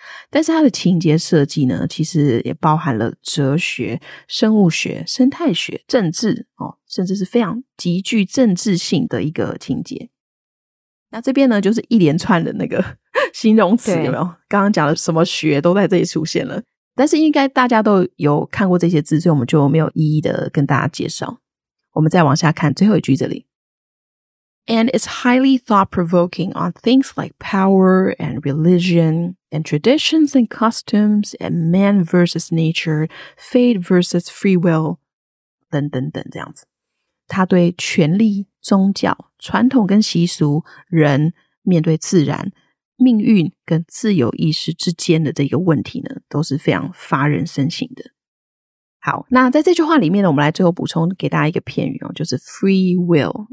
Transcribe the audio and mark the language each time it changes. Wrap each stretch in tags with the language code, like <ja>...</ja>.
<zh>但是它的情节设计呢，其实也包含了哲学、生物学、生态学、政治、哦、甚至是非常极具政治性的一个情节。那这边呢就是一连串的那个形容词，有没有，刚刚讲的什么学都在这里出现了。但是应该大家都有看过这些字，所以我们就没有一一的跟大家介绍。我们再往下看最后一句这里。</zh> <en>And it's highly thought-provoking on things like power and religion and traditions and customs and man versus nature, fate versus free will,</en> <zh>等等等这样子。他对权力、宗教、传统跟习俗、人面对自然、命运跟自由意识之间的这个问题呢，都是非常发人深省的。好，那在这句话里面呢，我们来最后补充给大家一个片语哦，就是 free will。</zh>